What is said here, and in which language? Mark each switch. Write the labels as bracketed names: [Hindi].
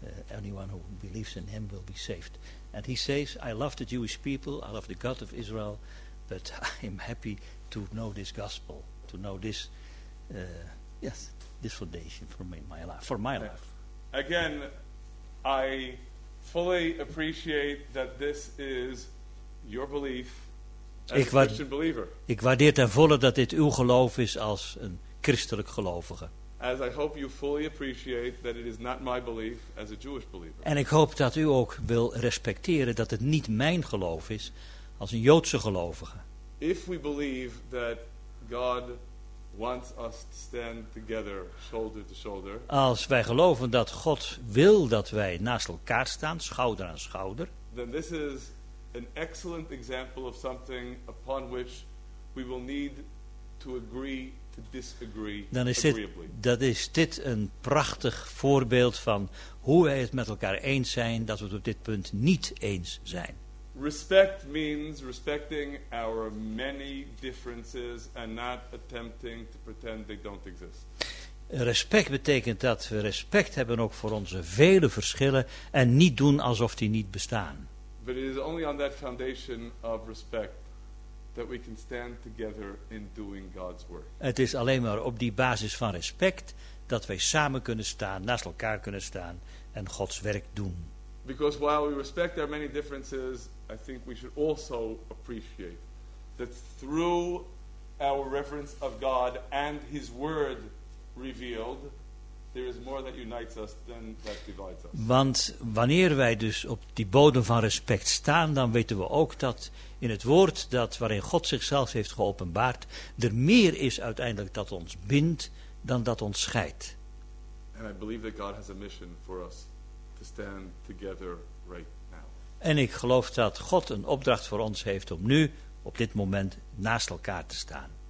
[English] anyone who believes in him will be saved. And he says, I love the Jewish people, I love the God of Israel, but I am happy to know this gospel, to know this, yes, this foundation for me, my life, for my life. Again, I fully appreciate that this is your belief as a Christian believer. [Dutch] Ik waardeer ten volle dat dit uw geloof is als een christelijk gelovige. [English] As I hope you fully appreciate that it is not my belief as a Jewish believer. [Dutch] En ik hoop dat u ook wil respecteren dat het niet mijn geloof is als een Joodse gelovige. [English] If we believe that God wants us to stand together shoulder to shoulder. [Dutch] Als wij geloven dat God wil dat wij naast elkaar staan, schouder aan schouder. [English] Then this is an excellent example of something upon which we will need to agree. [Dutch] Dan is dit, dat is dit een prachtig voorbeeld van hoe wij het met elkaar eens zijn dat we het op dit punt niet eens zijn. [English] Respect means respecting our many differences and not attempting to pretend they don't exist. [Dutch] Respect betekent dat we respect hebben ook voor onze vele verschillen en niet doen alsof die niet bestaan. [English] But it is only on that foundation of respect that we can stand together in doing God's work. [Dutch] Het is alleen maar op die basis van respect dat wij samen kunnen staan, naast elkaar kunnen staan en Gods werk doen. [English] Because while we respect our many differences, I think we should also appreciate that through our reverence of God and his word revealed, there is more that unites us than that divides us. [Dutch] Want wanneer wij dus op die bodem van respect staan, dan weten we ook dat in het woord dat waarin God zichzelf heeft geopenbaard, er meer is uiteindelijk dat ons bindt dan dat ons scheidt. [English] And I believe that God has a mission for us to stand together right now. [Dutch] En ik geloof dat God een opdracht voor ons heeft om nu, op dit moment, naast elkaar te staan.